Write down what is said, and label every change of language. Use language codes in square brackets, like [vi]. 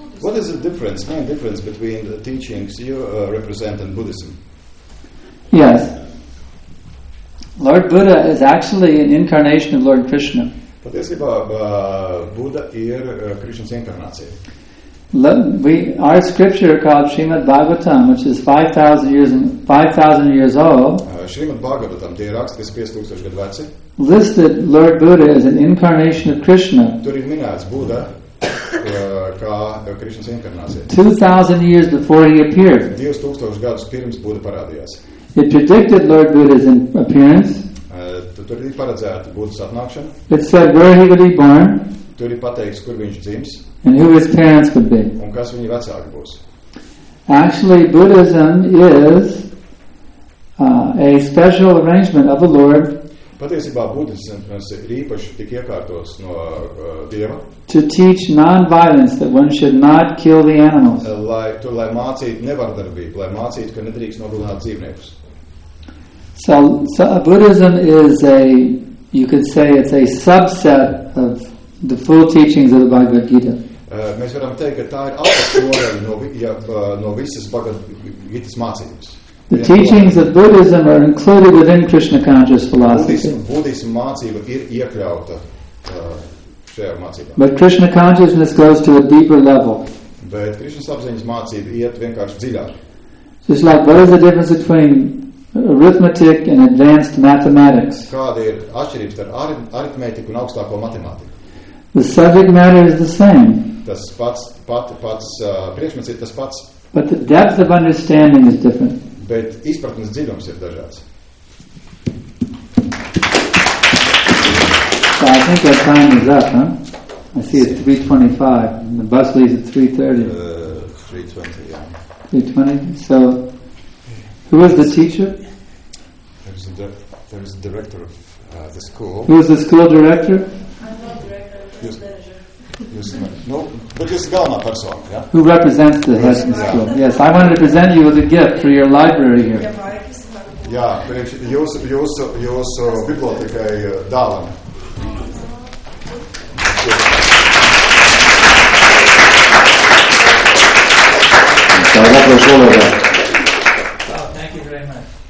[en] What is the difference, main difference between the teachings you represent and Buddhism? Yes. Lord Buddha is actually an incarnation of Lord Krishna. [lv] Patiesībā Buddha ir Krišnas inkarnācija. [en] Our scripture called Srimad Bhagavatam, which is 5,000 years old. [lv] Srimad Bhagavatam, tie raksti, kas 5,000 gadu veci. [en] Listed Lord Buddha as an incarnation of Krishna. [lv] Tur ir minēts Buddha kā Krišnas inkarnācija. [en] 2,000 years before he appeared. [lv] 2,000 gadus pirms Buddha parādījās. [en] It predicted Lord Buddha's appearance. [lv] Tur ir paredzēta Buddha's atnākšana. [en] It said where he would be born. [lv] Tur ir pateikts, kur viņš dzims. [en] And who his parents would be. [lv] Un kas viņa vecāki būs. [en] Actually, Buddhism is a special arrangement of the Lord. [lv] Patiesībā Buddhisms ir īpaši tik iekārtos no Dieva. [en] To teach non-violence, that one should not kill the animals. [lv] Lai mācītu nevardarbību, lai mācītu, ka nedrīkst nogalināt dzīvniekus. [en] So Buddhism is a, you could say, it's a subset of the full teachings of the Bhagavad Gita. [lv] Mēs varam teikt, ka tā ir apakšdaļa no visas Bhagavad Gitas mācības. [en] The teachings of Buddhism are included within Krishna conscious philosophy. [lv] Budhisma mācība ir iekļauta šajā mācībā. [en] But Krishna consciousness goes to a deeper level. [lv] Bet Krishna apziņas mācība iet vienkārši dziļāk. [en] So it's like, what is the difference between arithmetic and advanced mathematics? [lv] Kāda ir atšķirības ar aritmētiku un augstāko matemātiku? [en] The subject matter is the same. [lv] Tas pats, priekšmets ir tas pats. [en] But the depth of understanding is different. [lv] Bet izpratnes dziļums ir dažāds. [en] So I think our time is up, huh? I see it's 3:25 and the bus leaves at 3:30. 3:20, yeah. 3:20, so who is the teacher? There is a director of the school. Who is the school director? I'm not director, I'm No, but this is [lv] galvenā persona, ja? [en] Who represents the Hesman School? Yes, I want to present you with a gift for your library here. [lv] Jā, priekš jūsu bibliotekai dāvana. Tā ir labi šolēdā.